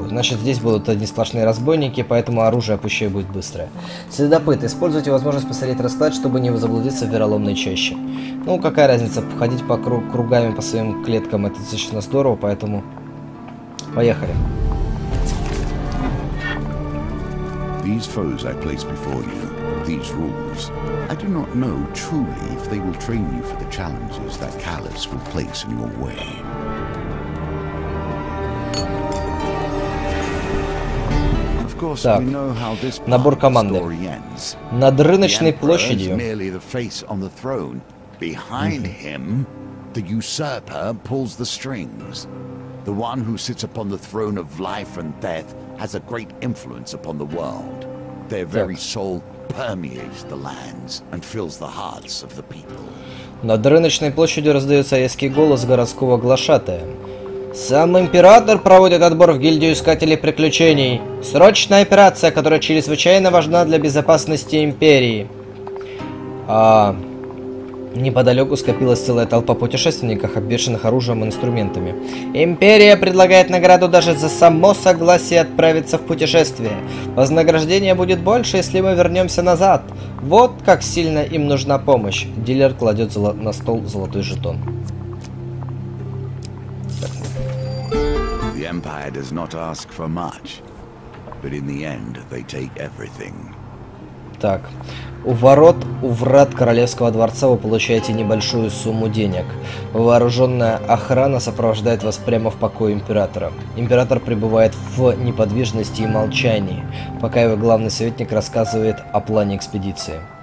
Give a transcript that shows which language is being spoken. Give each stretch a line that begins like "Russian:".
Russian: Значит, здесь будут одни сплошные разбойники, поэтому оружие опущей будет быстрое. Следопыт. Используйте возможность посмотреть расклад, чтобы не заблудиться в вероломной чаще. Ну, какая разница, ходить по кругами по своим клеткам, это достаточно здорово, поэтому... Поехали.
English: These foes I place before you, these rules, I do not know truly if they will train you for the challenges that Kallus will place in your way. Of course, we know how this part of the story ends.
Russian: Над рыночной площадью.
English: The emperor is merely the face on the throne. Behind him, the usurper pulls the strings. The one who sits upon the throne of life and death has a great influence upon the world. Their very soul permeates the lands and fills the hearts of the people.
Russian: Над рыночной площадью раздается резкий голос городского глашатая. Сам император проводит отбор в гильдию искателей приключений. Срочная операция, которая чрезвычайно важна для безопасности империи. Неподалеку скопилась целая толпа путешественников, обвешанных оружием и инструментами. Империя предлагает награду даже за само согласие отправиться в путешествие. Вознаграждение будет больше, если мы вернемся назад. Вот как сильно им нужна помощь. Дилер кладет на стол золотой жетон.
English: The Empire does not ask for much, but in the end they take everything.
Russian: Так, у врат королевского дворца вы получаете небольшую сумму денег. Вооруженная охрана сопровождает вас прямо в покое императора. Император пребывает в неподвижности и молчании, пока его главный советник рассказывает о плане экспедиции.